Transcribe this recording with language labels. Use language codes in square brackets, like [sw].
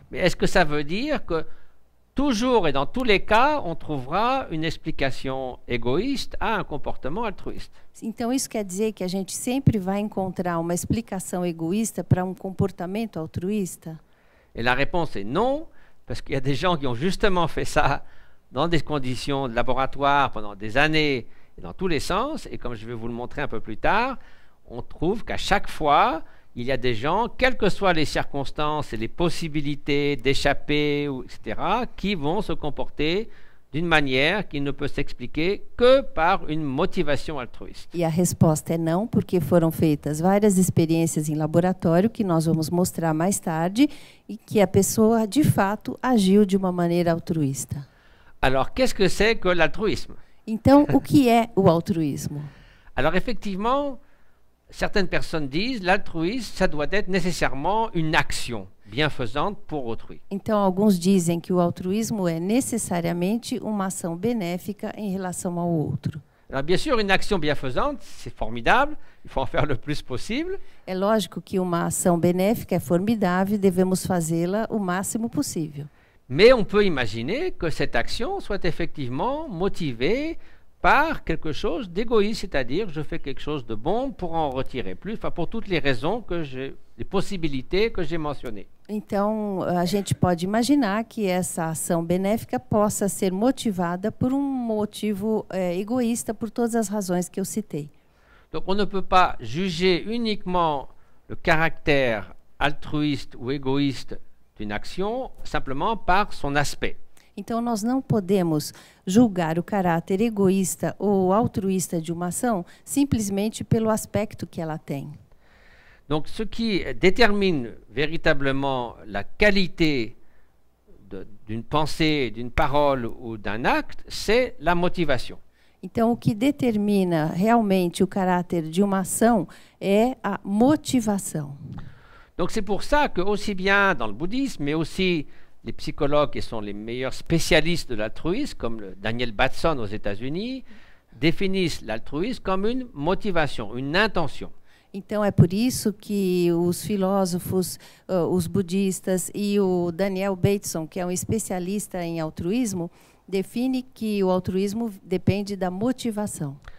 [fr] Mais est-ce que ça veut dire que toujours et dans tous les cas, on trouvera une explication égoïste à un comportement altruiste? [pt] Então isso quer dizer que a gente sempre vai encontrar uma explicação egoísta para um comportamento altruísta? [fr] Et la réponse est non, parce qu'il y a des gens qui ont justement fait ça dans des conditions de laboratoire pendant des années et dans tous les sens, et comme je vais vous le montrer un peu plus tard, on trouve qu'à chaque fois, il y a des gens, quelles que soient les circonstances et les possibilités d'échapper, etc., qui vont se comporter d'une manière qui ne peut s'expliquer que par une motivation altruiste. [pt] E a resposta é não, porque foram feitas várias experiências em laboratório que nós vamos mostrar mais tarde e que a pessoa de fato agiu de uma maneira altruísta. [fr] Alors, qu'est-ce que c'est que l'altruisme? [pt] Então, o que é o altruísmo? [fr] Alors, effectivement, certaines personnes disent l'altruisme, ça doit être nécessairement une action bienfaisante pour autrui. [pt] Então, alguns dizem que o altruísmo é necessariamente uma ação benéfica em relação ao outro. [fr] Alors, bien sûr, une action bienfaisante, c'est formidable, il faut en faire le plus possible. [pt] É lógico que uma ação benéfica é formidável e devemos fazê-la o máximo possível. [fr] Mais on peut imaginer que cette action soit effectivement motivée par quelque chose d'égoïste, c'est-à-dire je fais quelque chose de bon pour en retirer plus, enfin pour toutes les raisons que j'ai, les possibilités que j'ai mentionnées. [pt] Então, a gente pode imaginar que essa ação benéfica possa ser motivada por um motivo egoísta, por todas as razões que eu citei. [fr] Donc on ne peut pas juger uniquement le caractère altruiste ou égoïste d'une action simplement par son aspect. [pt] Então, nós não podemos julgar o caráter egoísta ou altruísta de uma ação simplesmente pelo aspecto que ela tem. [fr] Donc, ce qui détermine véritablement la qualité d'une pensée, d'une parole ou d'un acte, c'est la motivation. [pt] Então, o que determina realmente o caráter de uma ação é a motivação. [fr] Donc, c'est pour ça que, aussi bien dans le bouddhisme, mais aussi les psychologues qui sont les meilleurs spécialistes de l'altruisme, comme le Daniel Batson aux États-Unis, définissent l'altruisme comme une motivation, une intention. [pt] Então é por isso que os filósofos, os budistas e o Daniel Batson, que é especialista em altruismo, define que o altruísmo depende da motivação.